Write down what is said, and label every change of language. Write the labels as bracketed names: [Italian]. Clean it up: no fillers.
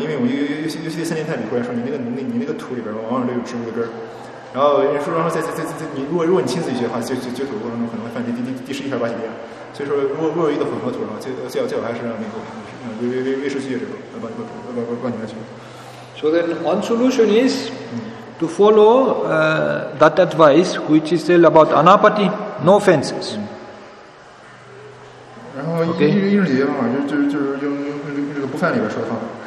[Chinese] 因为我尤其森林太比库来说，你那个土里边往往都有植物的根儿。然后人说，然后再你如果你亲自去的话，就掘土过程中可能会犯第十一条八级链。所以说，如果有一个混合土，然后最好还是让那个未受拒绝者帮你来掘。 [English] So then one solution is to follow that advice, which is still about anapati, no fences. [Chinese] 然后一种解决方法就是用这个不犯里边说的方法。